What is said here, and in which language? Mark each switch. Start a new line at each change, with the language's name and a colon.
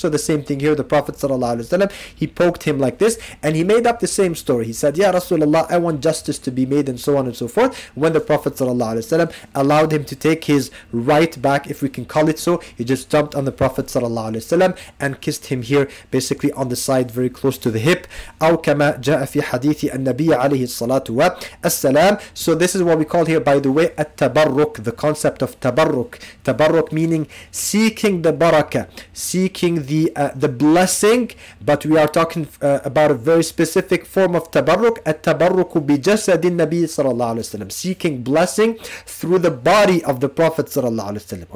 English: So the same thing here, the Prophet
Arabic: صلى الله عليه وسلم,
English: he poked him like this, and he made up the same story. He said, "Ya Rasulullah, I want justice to be made," and so on and so forth, when the Prophet
Arabic: صلى الله عليه وسلم
English: allowed him to take his right back, if we can call it so. He just jumped on the Prophet sallallahu alayhi wa sallam and kissed him here, basically on the side, very close to the hip.
Arabic: أو كما جاء في حديث النبي عليه الصلاة والسلام.
English: So this is what we call here, by the way, التبرك, the concept of تبرك. تبرك meaning seeking the barakah, seeking the blessing, but we are talking about a very specific form of تبرك.
Arabic: التبرك بجسد النبي صلى الله عليه وسلم,
English: seeking blessing through the body of the Prophet
Arabic: صلى الله عليه وسلم.